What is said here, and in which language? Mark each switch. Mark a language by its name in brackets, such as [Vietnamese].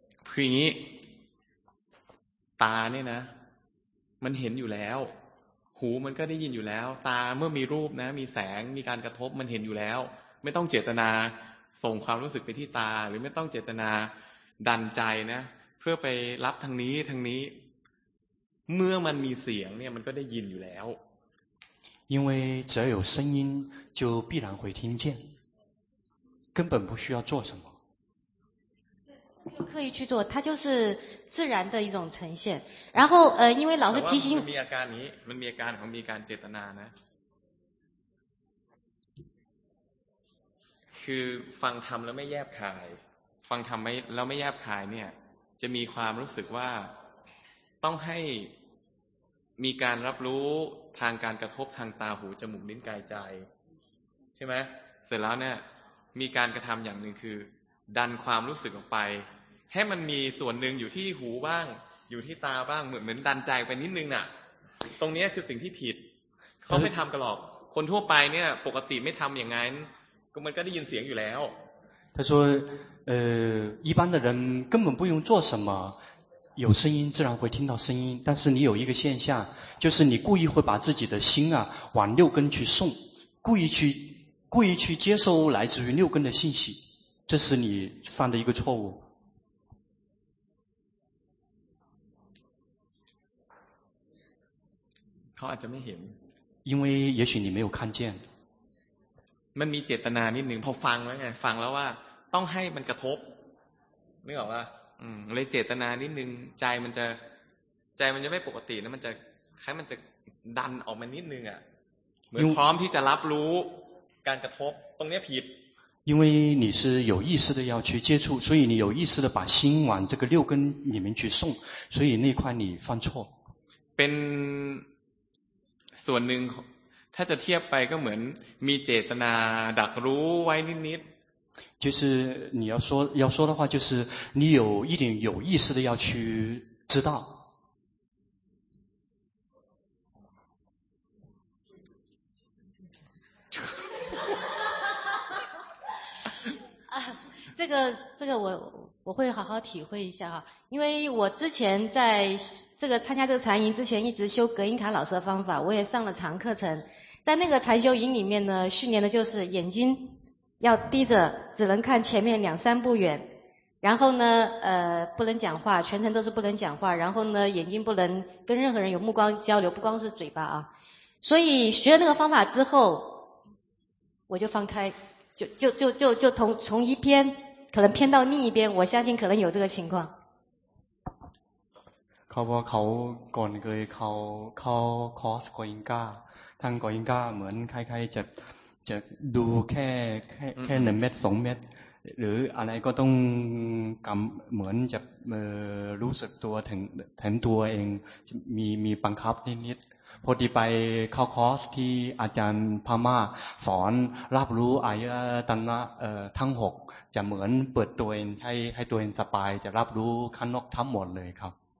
[Thai] คืออย่างนี้ตาเนี่ยนะมันเห็นอยู่แล้วหูมันก็ได้ยินอยู่แล้วตาเมื่อมีรูปนะมีแสงมีการกระทบมันเห็นอยู่แล้วไม่ต้องเจตนาส่งความรู้สึกไปที่ตาหรือไม่ต้องเจตนาดันใจนะเพื่อไปรับทางนี้เมื่อมันมีเสียงเนี่ยมันก็ได้ยินอยู่แล้ว [Chinese] 因为只要有声音就必然会听见根本不需要做什么刻意去做它就是自然的一种呈现然后因为老师提醒 [Thai] มันมีอาการนี้มันมีอาการของมีการเจตนานะคือฟังธรรมแล้วไม่แยบคายฟังธรรมไม่แล้วไม่แยบคายเนี่ยจะมีความรู้สึกว่าต้องให้ มีการรับรู้ทางการกระทบทางตาหูจมูกลิ้นกายใจใช่ไหมเสร็จแล้วเนี่ยมีการกระทำอย่างหนึ่งคือดันความรู้สึกออกไปให้มันมีส่วนหนึ่งอยู่ที่หูบ้างอยู่ที่ตาบ้างเหมือนดันใจไปนิดนึงน่ะตรงนี้คือสิ่งที่ผิดเขาไม่ทำกันหรอกคนทั่วไปเนี่ยปกติไม่ทำอย่างนั้นมันก็ได้ยินเสียงอยู่แล้ว [Chinese] 他说一般的人根本不用做什么有声音自然会听到声音但是你有一个现象就是你故意会把自己的心啊往六根去送故意去接收来自于六根的信息这是你犯的一个错误他可能没看因为也许你没有看见 [Thai] มันมีเจตนานิดนึงพอฟังแล้วไงฟังแล้วว่าต้องให้มันกระทบนึกออกป่ะเลยเจตนานิดนึงใจมันจะไม่ปกตินะมันจะคล้ายมันจะดันออกมานิดนึงอ่ะเหมือนพร้อมที่จะรับรู้การกระทบตรงนี้ผิด [Chinese] 因为你是有意识的要去接触所以你有意识的把心往这个六根里面去送所以那块你犯错 [Thai] เป็นส่วนนึงถ้าจะเทียบไปก็เหมือนมีเจตนาดักรู้ไว้นิด [Chinese] ๆ就是你要说的话就是你有一点有意识的要去知道这个我会好好体会一下哈，因为我之前在这个参加这个禅营之前一直修格音卡老师的方法我也上了禅课程在那个禅修营里面呢训练的就是眼睛要低着只能看前面两三步远然后呢不能讲话全程都是不能讲话然后呢眼睛不能跟任何人有目光交流不光是嘴巴啊所以学了那个方法之后我就放开就从一边可能偏到另一边我相信可能有这个情况 [Thai] เขาบอกเขาก่อนเคยเขาคอร์สก่อนอิงกาทางก่อนอิงกาเหมือนคล้ายๆจะดูแค่หนึ่งเม็ดสองเม็ดหรืออะไรก็ต้องกำเหมือนจะรู้สึกตัวถึงตัวเองมีบังคับนิดๆพอดีไปเข้าคอร์สที่อาจารย์พม่าสอนรับรู้อายตนะทั้ง6จะเหมือนเปิดตัวเองให้ตัวเองสบายจะรับรู้ข้างนอกทั้งหมดเลยครับ